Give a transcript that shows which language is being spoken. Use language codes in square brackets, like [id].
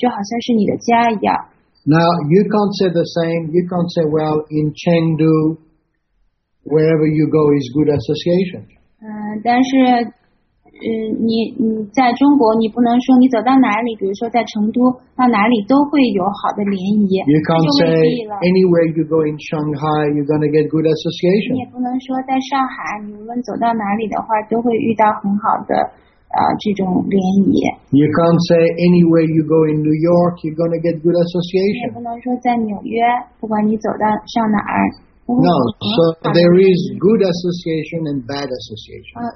[zh] 那这是非常有意思的，就是无论你走到世界的哪个地方，只要你有一个当地的奉献者的庙宇中心，或者是奉献者社团的这个地址，只要你走到那里，虽然你跟他们是素不相识的，但是从你走进他们的那一刻开始，你就会觉得有一种宾至如归的感觉，这就好像是你的家一样。 [en] Now you can't say the same. You can't say, well, in Chengdu, wherever you go is good association. [zh] 但是你在中国，你不能说你走到哪里，比如说在成都，到哪里都会有好的联谊。 [en] You can't say anywhere you go in Shanghai, you're going to get good association. [zh] 你也不能说在上海，你无论走到哪里的话，都会遇到很好的这种联谊。 [en] You can't say anywhere you go in New York, you're going to get good association. [zh] 你也不能说在纽约，不管你走到上哪儿。 [en] No, so there is good association and bad association.